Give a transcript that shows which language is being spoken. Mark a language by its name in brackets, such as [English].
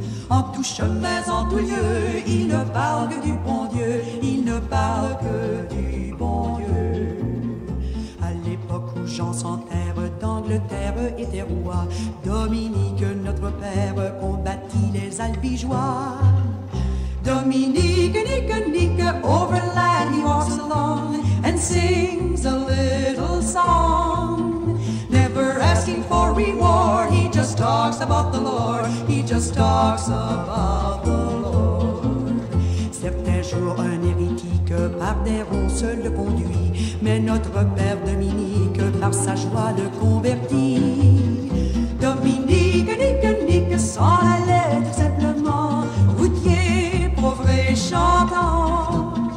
[French] En tout chemin, en tout lieu, il ne parle que du bon Dieu, il ne parle que du bon Dieu. À l'époque où Jean sans terre d'Angleterre était roi, Dominique, notre père, combattit les albigeois. [English] Dominique, Nique, Nique, overland he walks along and sings a little song. Never asking for reward, he just talks about the Lord, he just talks about the Lord. [French] Certains jours, un hérétique par des ronces le conduit, mais notre père Dominique par sa joie le convertit. Dominique, Nique, Nique, sans la lettre, simplement routier, pauvre et chantant.